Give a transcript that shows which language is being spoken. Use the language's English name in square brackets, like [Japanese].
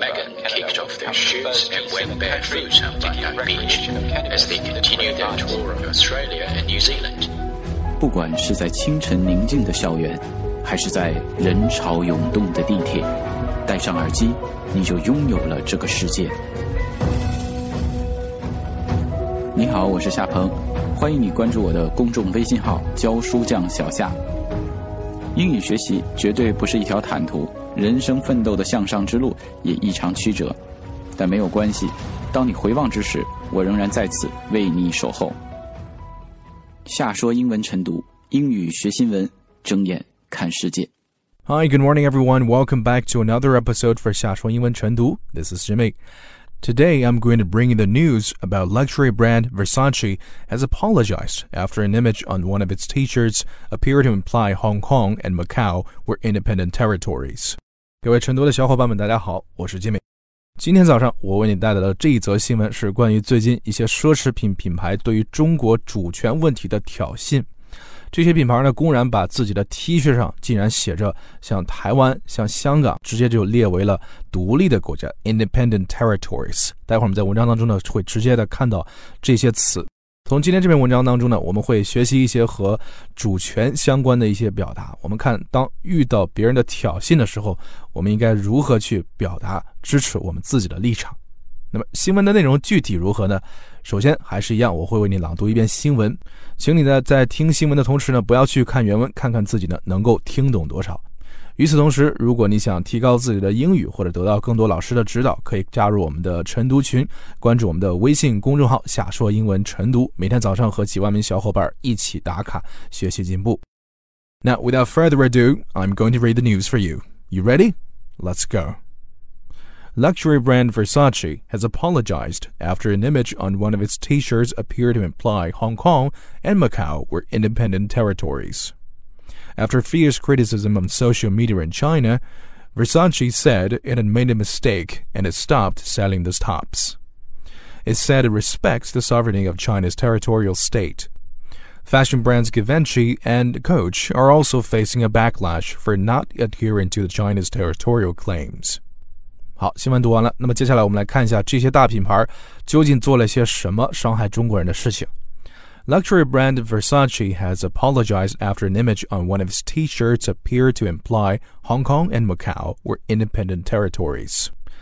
[English] Megan kicked off their shoots and went barefoot on Bondi Beach as they continued their tour of Australia and New Zealand. [Chinese] 不管是在清晨宁静的校园，还是在人潮涌动的地铁，戴上耳机，你就拥有了这个世界。你好，我是夏鹏，欢迎你关注我的公众微信号教书匠小夏。英语学习绝对不是一条坦途，人生奋斗的向上之路也异常曲折，但没有关系，当你回望之时，我仍然在此为你守候。夏说英文晨读，英语学新闻，睁眼看世界。 [English] Hi, good morning everyone. Welcome back to another episode for 夏说英文晨读。This is Jimmy. Today, I'm going to bring you the news about luxury brand Versace has apologized after an image on one of its t-shirts appeared to imply Hong Kong and Macau were independent territories. [Chinese] 各位晨读的小伙伴们，大家好，我是 Jimmy。今天早上我为你带来的这一则新闻是关于最近一些奢侈品品牌对于中国主权问题的挑衅。这些品牌呢，公然把自己的 T 恤上竟然写着像台湾、像香港，直接就列为了独立的国家 [English] Independent Territories。 [Chinese] 待会儿我们在文章当中呢，会直接的看到这些词。从今天这篇文章当中呢，我们会学习一些和主权相关的一些表达，我们看当遇到别人的挑衅的时候，我们应该如何去表达支持我们自己的立场。那么新闻的内容具体如何呢？首先还是一样，我会为你朗读一遍新闻，请你呢在听新闻的同时呢，不要去看原文，看看自己呢能够听懂多少。与此同时，如果你想提高自己的英语或者得到更多老师的指导，可以加入我们的晨读群，关注我们的微信公众号夏说英文晨读，每天早上和几万名小伙伴一起打卡学习进步。 [English] Now without further ado, I'm going to read the news for you. You ready? Let's goLuxury brand Versace has apologized after an image on one of its t-shirts appeared to imply Hong Kong and Macau were independent territories. After fierce criticism on social media in China, Versace said it had made a mistake and it stopped selling the tops. It said it respects the sovereignty of China's territorial state. Fashion brands Givenchy and Coach are also facing a backlash for not adhering to China's territorial claims. [Chinese] 好，新闻读完了，那么接下来我们来看一下这些大品牌究竟做了些什么伤害中国人的事情。 [English] Luxury brand Versace has apologized after an image on one of its t-shirts appeared to imply Hong Kong and Macau were independent territories.